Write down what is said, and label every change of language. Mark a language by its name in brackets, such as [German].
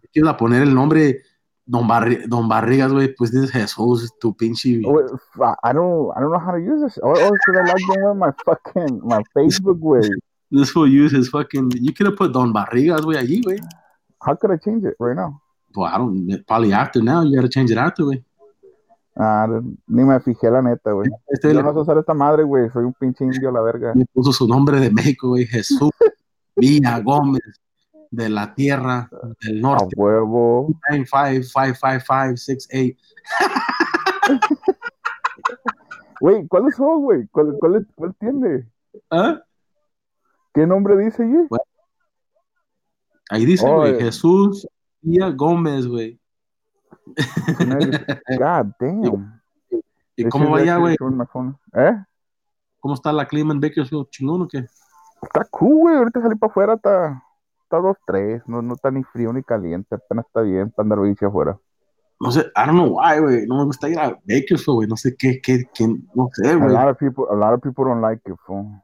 [Spanish] ¿Quién va a poner el nombre Don Barrigas, güey? Pues dices Jesús, tu pinche... [English] I don't know how to use this. Or should I log in with my Facebook, güey? This will use his fucking... You could have put Don Barrigas, güey, allí, güey. How could I change it right now? Well, I don't... Probably after now, you gotta change it after, güey. [Spanish] Ah, ni me fijé la neta, güey. Este yo no sé usar esta madre, güey. Soy un pinche indio, la verga. Me puso su nombre de México, güey. Jesús Mina Gómez, de la tierra del norte. A huevo. 9555568. Güey, ¿cuál es eso, güey? ¿Cuál tiene? ¿Ah? ¿Qué nombre dice, güey? Bueno, ahí dice, güey. Oh, Jesús Mina Gómez, güey. [English] God damn. [Spanish] ¿Y cómo va ya, güey? ¿Eh? ¿Cómo está la clima en Bakersfield? ¿Chingón o qué? Está cool, güey. Ahorita salí para afuera, está 2-3. No está ni frío ni caliente. Apenas está bien para andar bien afuera. No sé, [English] I don't know why, güey. [Spanish] No me gusta ir a Bakersfield, güey. No sé qué, no sé, güey. [English] A lot of people don't like it, fool.